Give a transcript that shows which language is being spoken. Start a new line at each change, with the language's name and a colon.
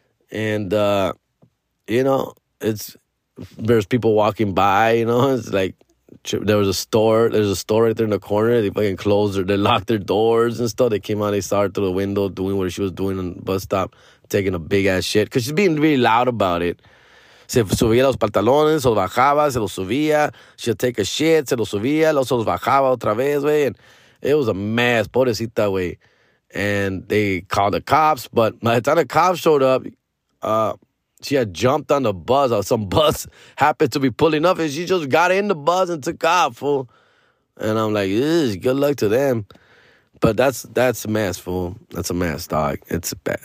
English: And, you know, there's people walking by, you know. It's like there's a store right there in the corner. They fucking closed their, they locked their doors and stuff. They came out, they saw her through the window doing what she was doing on the bus stop, taking a big ass shit. Because she's being really loud about it.
Spanish: Se subía los pantalones, se los bajaba, se los subía.
English: She'll take a shit,
Spanish: se los subía, los bajaba otra vez, güey.
English: And it was a mess,
Spanish: pobrecita, güey.
English: And they called the cops, but by the time the cops showed up, she had jumped on the bus, or some bus happened to be pulling up, and she just got in the bus and took off, fool. And I'm like, ew, good luck to them. But that's a mess, fool. That's a mess, dog. It's bad.